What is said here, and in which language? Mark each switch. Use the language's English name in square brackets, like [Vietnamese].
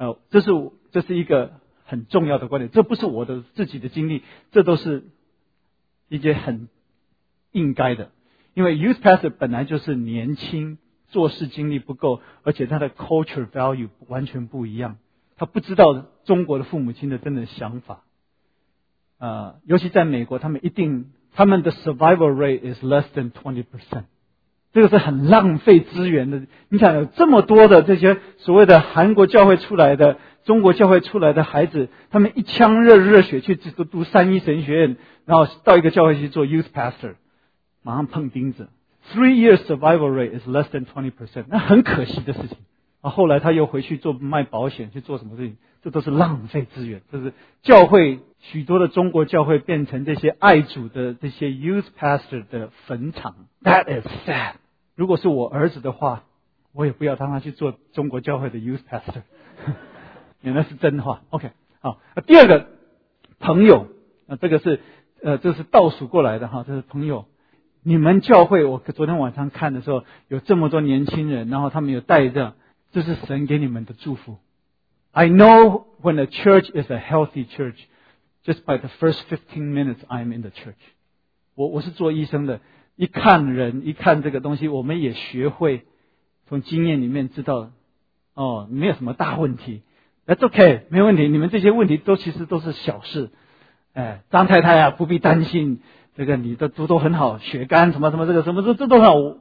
[Chinese] 这是一个很重要的观点，这不是我的自己的经历，这都是一些很应该的。因为 youth pastor 本来就是年轻，做事经历不够，而且他的 culture value 完全不一样，他不知道中国的父母亲的真的想法。尤其在美国，他们一定他们的 [English] survival rate is less than 20%。 [Chinese] 这个是很浪费资源的。你想有这么多的这些所谓的韩国教会出来的、中国教会出来的孩子，他们一腔热热血去读三一神学院，然后到一个教会去做 youth pastor， 马上碰钉子。 [English] 3 years survival rate is less than 20%， [Chinese] 那很可惜的事情。后来他又回去做卖保险，去做什么事情，这都是浪费资源。这是教会，许多的中国教会变成这些爱主的这些 youth pastor 的坟场。 [English] That is sad。 [Chinese] 如果是我儿子的话，我也不要让他去做中国教会的 youth pastor。原来是真话。 OK， 好，第二个朋友，这个是这是倒数过来的，这是朋友。你们教会，我昨天晚上看的时候，有这么多年轻人，然后他们有带着，这是神给你们的祝福。 [English] I know when a church is a healthy church just by the first 15 minutes I'm in the church。 [Chinese] 我是做医生的，一看人，一看这个东西，我们也学会从经验里面知道，哦，没有什么大问题。 [English] That's okay， [Chinese] 没问题，你们这些问题都其实都是小事。张太太啊，不必担心，这个你的都很好，血肝什么什么，这个什么这都很好。